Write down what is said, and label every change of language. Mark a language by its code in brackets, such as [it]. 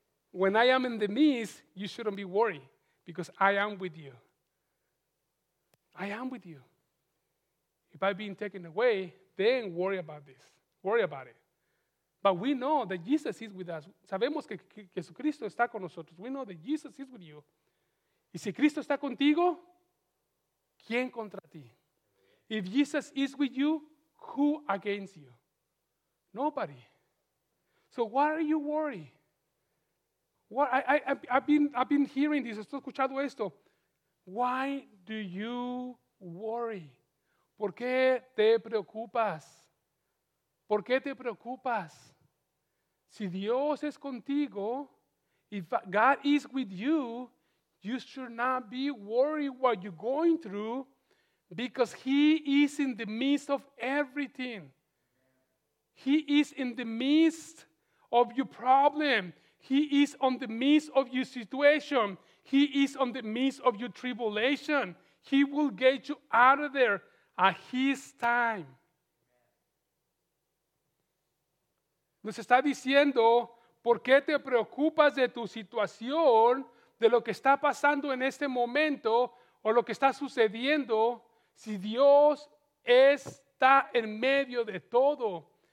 [en] When I am in the midst, you shouldn't be worried, because I am with you. I am with you. If I've been taken away, then worry about this. Worry about it. But we know that Jesus is with us. [es] Sabemos que Jesucristo está con nosotros. [en] We know that Jesus is with you. [es] Y si Cristo está contigo, ¿quién contra ti? [en] If Jesus is with you, who against you? Nobody. So why are you worried? What I've been hearing this, [es] estoy escuchando esto. [en] Why do you worry? [es] ¿Por qué te preocupas? ¿Por qué te preocupas? Si Dios es contigo, [en] if God is with you, you should not be worried what you're going through, because He is in the midst of everything. He is in the midst of your problem. He is on the midst of your situation. He is on the midst of your tribulation. He will get you out of there at His time. [es] Nos está diciendo, ¿por qué te preocupas de tu situación, de lo que está pasando en este momento o lo que está sucediendo, si Dios está en medio de todo?